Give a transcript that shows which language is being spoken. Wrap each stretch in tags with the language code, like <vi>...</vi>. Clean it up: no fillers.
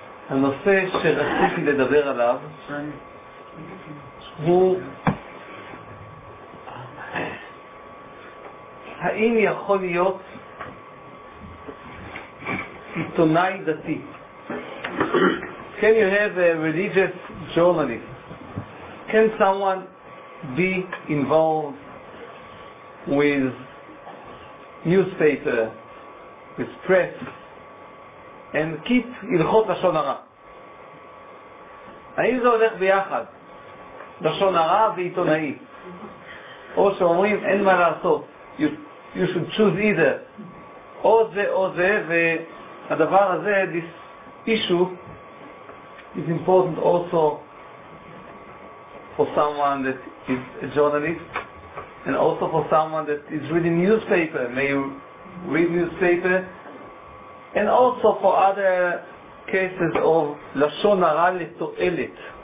<he>הנושא שרציתי לדבר עליו הוא האם יכול להיות עיתונאי דתי?</he> <en>Can you have a religious journalist? Can someone be involved with newspaper, with press, and keep הלכות לשון הרע?</en> <he>האם זה הולך ביחד, לשון הרע ועיתונאי? או שאומרים, אין מה לעשות,</he> <en>you should choose either,</en> <he>או זה או זה, והדבר הזה,</he> <en>this issue, is important also for someone that is a journalist, and also for someone that is reading newspaper, may you read newspaper, and also for other cases of לשון הרע לתועלת.</en>